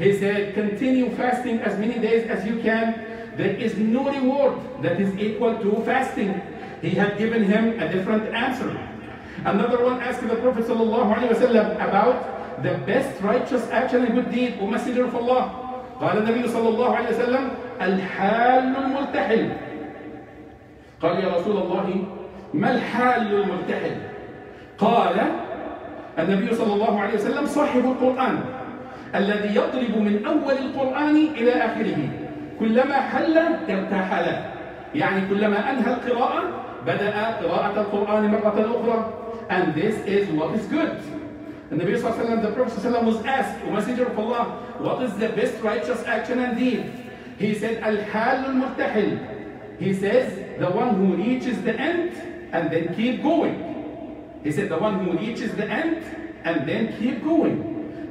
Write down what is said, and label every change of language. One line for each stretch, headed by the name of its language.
English: He said, continue fasting as many days as you can. There is no reward that is equal to fasting. He had given him a different answer. Another one asked the Prophet ﷺ about the best righteous action and good deed, O Messenger of Allah.
Arabic: قال النبي صلى الله عليه وسلم الحال الملتحل. قال يا رسول الله ما الحال الملتحل؟ قال النبي صلى الله عليه وسلم صاحب القرآن الذي يضرب من أول القرآن إلى آخره كلما حل ارتحل. يعني كلما أنهى القراءة بدأ قراءة القرآن مرة أخرى.
English: And this is what is good. And the Prophet ﷺ, was asked, O Messenger of Allah, what is the best righteous action and deed? He said, Al-Hal al-Murtahil. He says, the one who reaches the end and then keep going. He said, the one who reaches the end and then keep going.